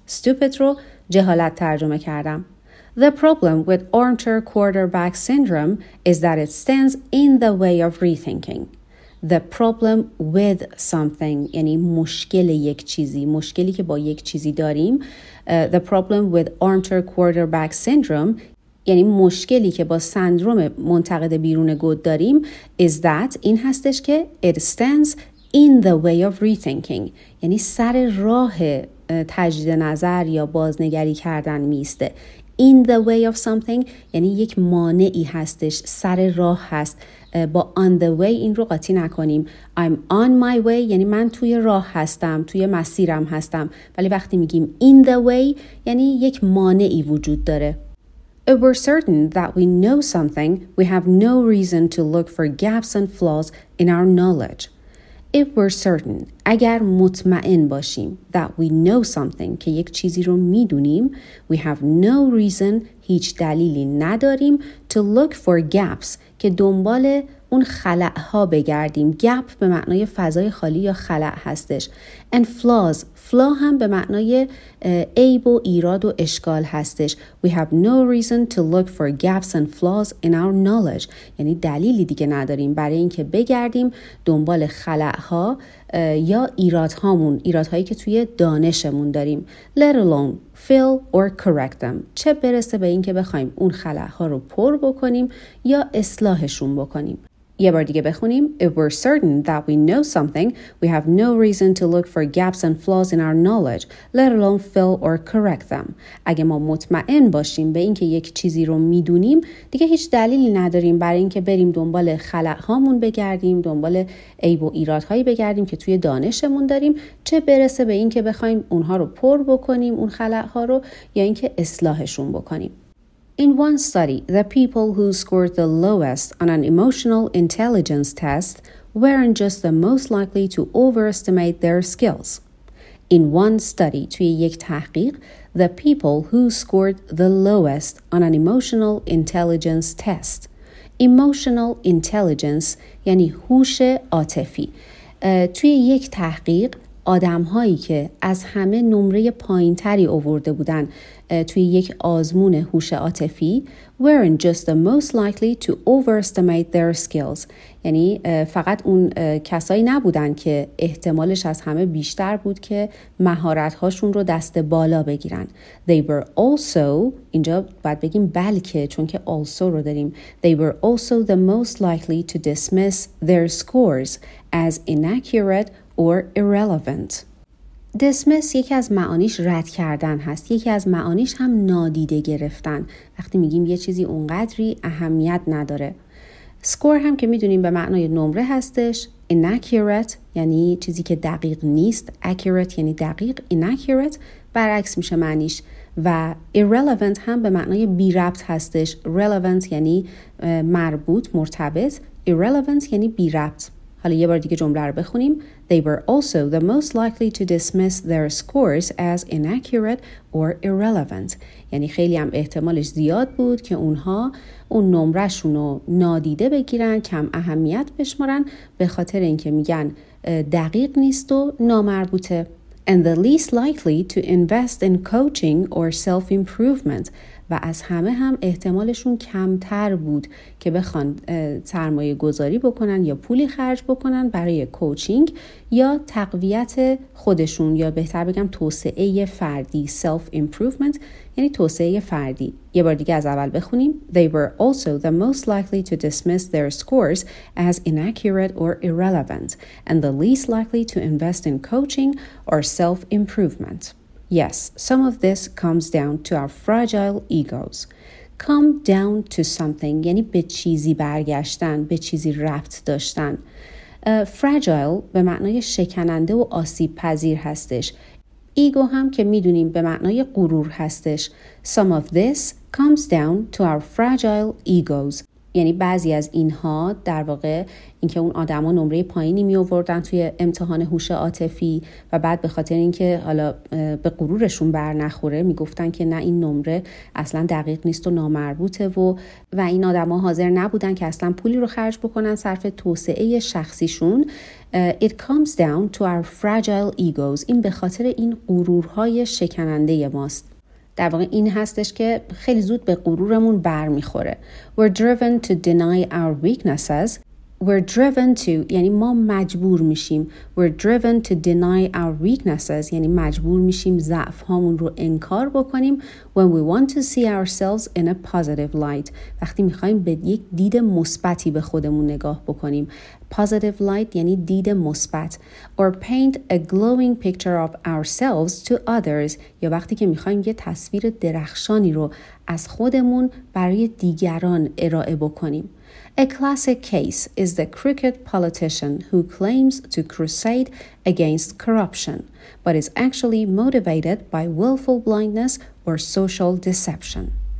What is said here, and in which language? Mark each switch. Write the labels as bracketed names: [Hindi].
[Persian] Stupid رو جهالت ترجمه کردم. [English] The problem with armchair quarterback syndrome is that it stands in the way of rethinking. The problem with something [Persian] یعنی مشکل یک چیزی. مشکلی که با یک چیزی داریم. [English] The problem with armchair quarterback syndrome [Persian] یعنی مشکلی که با سندروم منتقد بیرون گود داریم [English] is that [Persian] این هستش که [English] it stands in the way of rethinking [Persian] یعنی سر راه تجدید نظر یا بازنگری کردن میسته. [English] In the way of something [Persian] یعنی یک مانعی هستش، سر راه هست. با [English] on the way [Persian] این رو قاطی نکنیم. [English] I'm on my way [Persian] یعنی من توی راه هستم، توی مسیرم هستم، ولی وقتی میگیم [English] in the way [Persian] یعنی یک مانعی وجود داره. [English] If we're certain that we know something, we have no reason to look for gaps and flaws in our knowledge. If we're certain, [Persian] اگر مطمئن باشیم, [English] that we know something, [Persian] که یک چیزی رو میدونیم, [English] we have no reason, [Persian] هیچ دلیلی نداریم, [English] to look for gaps, [Persian] که دنبال اون خلأها بگردیم. Gap به معنای فضای خالی یا خلأ هستش. [English] And flaws, [Persian] flaw هم به معنای عیب و ایراد و اشکال هستش. [English] We have no reason to look for gaps and flaws in our knowledge. [Persian] یعنی دلیلی دیگه نداریم برای اینکه بگردیم دنبال خلأها یا ایرادهامون، ایرادهایی که توی دانشمون داریم. [English] Let alone fill or correct them. [Persian] چه برسه به اینکه بخوایم اون خلأها رو پر بکنیم یا اصلاحشون بکنیم. یه بار دیگه بخونیم. [English] If we're certain that we know something, we have no reason to look for gaps and flaws in our knowledge, let alone fill or correct them. [Persian] اگه ما مطمئن باشیم به اینکه یک چیزی رو میدونیم، دیگه هیچ دلیلی نداریم برای اینکه بریم دنبال خلأهامون بگردیم، دنبال عیب و ایرادهایی بگردیم که توی دانشمون داریم، چه برسه به اینکه بخوایم اونها رو پر بکنیم، اون خلأها رو، یا اینکه اصلاحشون بکنیم. [English] In one study, the people who scored the lowest on an emotional intelligence test weren't just the most likely to overestimate their skills. In one study, [Persian] توی یک تحقیق, [English] the people who scored the lowest on an emotional intelligence test. [Persian] Emotional intelligence یعنی هوش عاطفی. توی یک تحقیق آدم‌هایی که از همه نمره پایین‌تری آورده بودن توی یک آزمون هوش عاطفی [English] weren't just the most likely to overestimate their skills، [Persian] یعنی فقط اون کسایی نبودن که احتمالش از همه بیشتر بود که مهارت‌هاشون رو دست بالا بگیرن. [English] They were also، [Persian] اینجا باید بگیم بلکه، چون که also رو داریم. [English] They were also the most likely to dismiss their scores as inaccurate or irrelevant. [Persian] Dismiss یکی از معانیش رد کردن هست. یکی از معانیش هم نادیده گرفتن. وقتی میگیم یه چیزی اونقدری اهمیت نداره. Score هم که میدونیم به معنای نمره هستش. Inaccurate یعنی چیزی که دقیق نیست. Accurate یعنی دقیق. Inaccurate برعکس میشه معنیش. و irrelevant هم به معنای بی ربط هستش. Relevant یعنی مربوط، مرتبط. Irrelevant یعنی بی ربط. حالا یه بار دیگه جمله رو بخونیم. [English] They were also the most likely to dismiss their scores as inaccurate or irrelevant. [Persian] یعنی خیلی هم احتمالش زیاد بود که اونها اون نمرشون رو نادیده بگیرن، کم اهمیت بشمارن، به خاطر اینکه میگن دقیق نیست و نامربوطه. [English] And the least likely to invest in coaching or self-improvement. [Persian] و از همه هم احتمالشون کمتر بود که بخوان سرمایه گذاری بکنن یا پولی خرج بکنن برای کوچینگ یا تقویت خودشون، یا بهتر بگم توسعه فردی، self-improvement یعنی توسعه فردی. یه بار دیگه از اول بخونیم. [English] They were also the most likely to dismiss their scores as inaccurate or irrelevant and the least likely to invest in coaching or self-improvement. Yes, some of this comes down to our fragile egos. Come down to something [Persian] یعنی به چیزی برگشتن، به چیزی ربط داشتن. Fragile به معنای شکننده و آسیب پذیر هستش. Ego هم که میدونیم به معنای غرور هستش. [English] Some of this comes down to our fragile egos. [Persian] یعنی بعضی از اینها، در واقع اینکه اون آدما نمره پایینی می آوردن توی امتحان هوش عاطفی و بعد به خاطر اینکه حالا به غرورشون بر نخوره میگفتن که نه این نمره اصلا دقیق نیست و نامربوطه و این آدما حاضر نبودن که اصلا پولی رو خرج بکنن صرف توسعه شخصیشون. [English] It comes down to our fragile egos. [Persian] این به خاطر این غرورهای شکننده ماست. در واقع این هستش که خیلی زود به غرورمون بر میخوره. [English] We're driven to deny our weaknesses. We're driven to [Persian] یعنی ما مجبور میشیم. [English] We're driven to deny our weaknesses [Persian] یعنی مجبور میشیم ضعف هامون رو انکار بکنیم. [English] When we want to see ourselves in a positive light. [Persian] وقتی میخواییم به یک دید مثبتی به خودمون نگاه بکنیم. [English] Positive light [Persian] یعنی دید مثبت. [English] Or paint a glowing picture of ourselves to others. [Persian] یا وقتی که میخواییم یه تصویر درخشانی رو از خودمون برای دیگران ارائه بکنیم. [English] A classic case is the crooked politician who claims to crusade against corruption, but is actually motivated by willful blindness or social deception.